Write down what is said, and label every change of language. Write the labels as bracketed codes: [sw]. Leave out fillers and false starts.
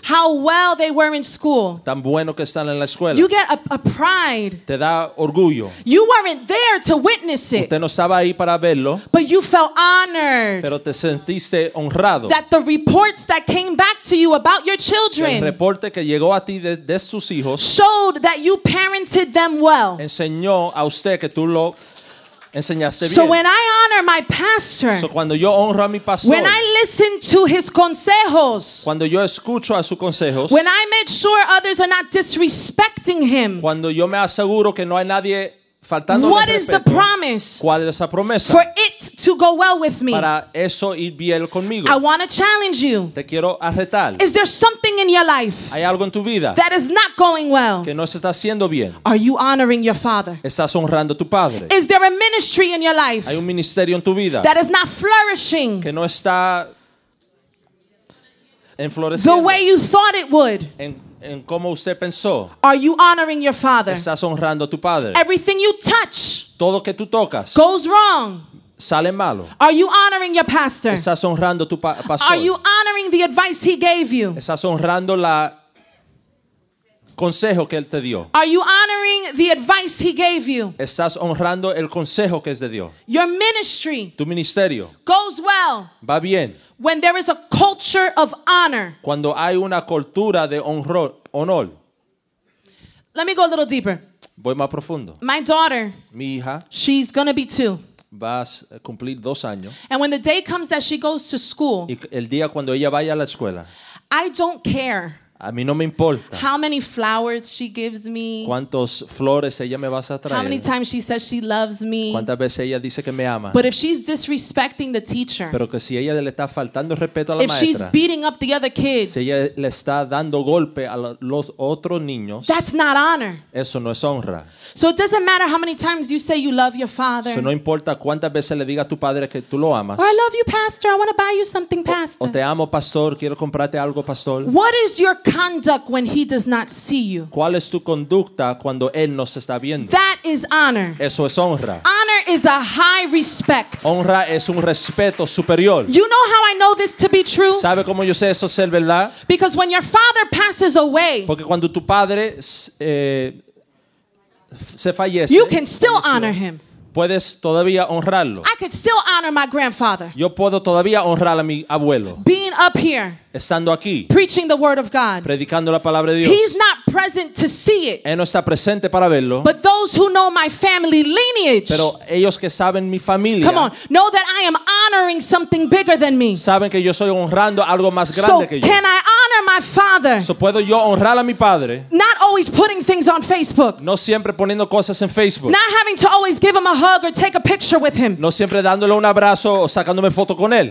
[en] how well they were in school, [es] tan bueno que están en la escuela, [en] you get a pride. [es] Te da orgullo. [en] You weren't there to witness it. [es] Usted no estaba ahí para verlo, [en] but you felt honored. [es] Pero te sentiste honrado. [en] That the reports that came back to you about your children, [es] el reporte que llegó a ti de sus hijos, [en] showed that you parented them well. [es] Enseñó a usted que tú lo enseñaste bien. [en] So when I honor my pastor, [es] so cuando yo honro a mi pastor, [en] when I listen to his consejos, [es] cuando yo escucho a sus consejos, [en] when I make sure others are not disrespecting him, [es] cuando yo me aseguro que no hay nadie faltando, [en] what [es] respeto, [en] is the promise, [es] ¿cuál es la promesa, [en] for it to go well with me, [es] para eso ir bien conmigo? [en] I want to challenge you. [es] Te quiero arretar. [en] Is there something in your life, [es] hay algo en tu vida, [en] that is not going well, [es] que no se está haciendo bien? [en] Are you honoring your father? [es] ¿Estás honrando a tu padre? [en] Is there a ministry in your life, [es] hay un ministerio en tu vida, [en] that is not flourishing, [es] que no está en floreciendo, [en] the way you thought it would, [es] en cómo usted pensó? [en] Are you honoring your father? [es] ¿Estás honrando a tu padre? [en] Everything you touch, [es] todo que tú tocas, [en] goes wrong, [es] sale malo. [en] Are you honoring your pastor? [es] ¿Estás honrando a tu pastor? [en] Are you honoring the advice he gave you? [es] ¿Estás honrando la consejo que él te dio? [en] Are you honoring the advice he gave you? [es] ¿Estás honrando el consejo que es de Dios? [en] Your ministry, [es] tu ministerio, [en] goes well, [es] va bien, [en] when there is a culture of honor, [es] cuando hay una cultura de honor. [en] Let me go a little deeper. [es] Voy más profundo. [en] My daughter, [es] mi hija, [en] she's gonna be 2. [es] Va a cumplir 2 años. [en] And when the day comes that she goes to school, [es] y el día cuando ella vaya a la escuela, [en] I don't care. [es] A mí no me importa. [en] How many flowers she gives me? [es] ¿Cuántos flores ella me va a traer? [en] How many times she says she loves me? [es] ¿Cuántas veces ella dice que me ama? [en] But if she's disrespecting the teacher, [es] pero que si ella le está faltando el respeto a la [en] if [es] maestra, [en] she's beating up the other kids, [es] si ella le está dando golpe a los otros niños, [en] that's not honor. [es] Eso no es honra. [en] So it doesn't matter how many times you say you love your father. [es] So no importa cuántas veces le diga a tu padre que tú lo amas. [en] Or I love you, pastor. I want to buy you something, pastor. [es] O te amo, pastor. Quiero comprarte algo, pastor. [en] What is your conduct when he does not see you? [es] ¿Cuál es tu conducta cuando él no se está viendo? [en] That is honor. [es] Eso es honra. [en] Honor is a high respect. [es] Honra es un respeto superior. [en] You know how I know this to be true? [es] ¿Sabe cómo yo sé eso ser verdad? [en] Because when your father passes away, [es] porque cuando tu padre se fallece, [en] you can still honor him. [es] Puedes todavía honrarlo. [en] I could still honor my grandfather. [es] Yo puedo todavía honrar a mi abuelo. [en] Being up here, [es] estando aquí, [en] preaching the word of God, [es] predicando la palabra de Dios. [en] He's not present to see it. [es] Él no está presente para verlo. [en] But those who know my family lineage, [es] pero ellos que saben mi familia, [en] come on, know that I am honoring something bigger than me. [es] Saben que yo estoy honrando algo más grande [en] so [es] que yo. [en] So can I honor my father? [es] So puedo yo honrar a mi padre? [en] Not always putting things on Facebook. [es] No siempre poniendo cosas en Facebook. [en] Not having to always give him a hug or take a picture with him. [es] No siempre dándole un abrazo o sacándome foto con él.